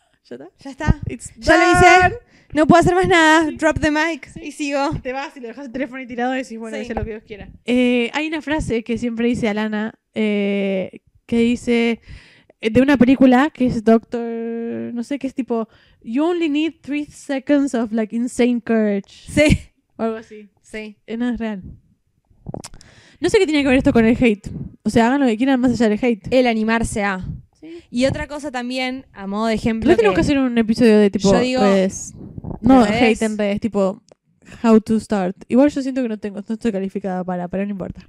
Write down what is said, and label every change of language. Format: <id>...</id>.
<es>¿Ya está? Ya está. Ya lo hice. No puedo hacer más nada. Sí.</es> <en>Drop the mic.</en> <es>Sí. Y sigo. Te vas y le dejas el teléfono y tirado y decís, bueno, sí, hice lo que Dios quiera. Hay una frase que siempre dice Alana, que dice... De una película que es Doctor... No sé, qué es tipo...</es> <en>You only need 3 seconds of like insane courage.</en> <es>Sí. O algo así. Sí. No es real. No sé qué tiene que ver esto con el hate. O sea, hagan lo que quieran más allá del hate. El animarse a. ¿Sí? Y otra cosa también, a modo de ejemplo. Yo tengo que hacer un episodio de tipo redes. No, hate en redes, tipo</es> <en>how to start.</en> <es>Igual yo siento que no tengo, no estoy calificada para, pero no importa.</es>